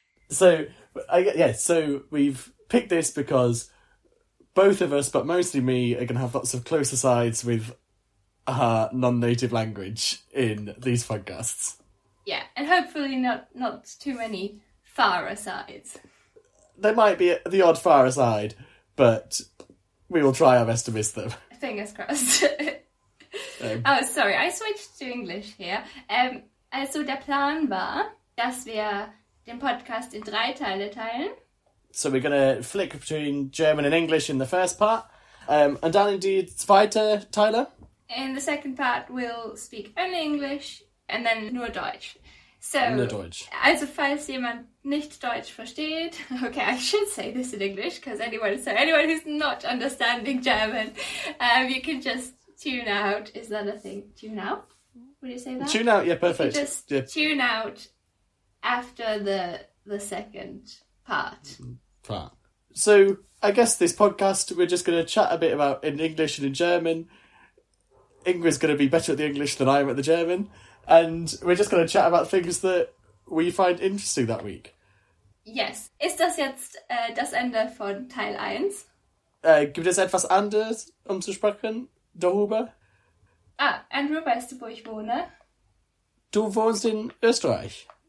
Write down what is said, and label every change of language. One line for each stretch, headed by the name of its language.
English: So we've picked this because both of us, but mostly me, are going to have lots of close asides with non-native language in these podcasts. Yeah, and hopefully not too many far asides. There might be the odd far aside, but we will try our best to miss them. Fingers crossed. Oh, sorry, I switched to English here.
German: Also der Plan war, dass wir den Podcast in drei Teile teilen.
English: So we're going to flick between German and English in the first part, and
German: dann in die zweite Teile.
English: In the second part, we'll speak only English and then
German: nur Deutsch.
English: So,
German: nur Deutsch. Also falls jemand nicht Deutsch versteht,
English: okay, I should say this in English, because anyone who's not understanding German, you can just tune out. Is that a thing? Tune out? Would you say that? Tune out, yeah, perfect. You can just tune out after the second part. So, I guess this podcast, we're just going to chat a bit about in English and in German. Ingrid's going to be better at the English than I am at the German. And we're just going to chat about things that we find interesting that week. Yes.
German: Ist das jetzt das Ende von Teil 1? Gibt es etwas anderes, um zu sprechen, darüber? Ah, Andrew, weißt du, wo ich wohne? Du wohnst in Österreich.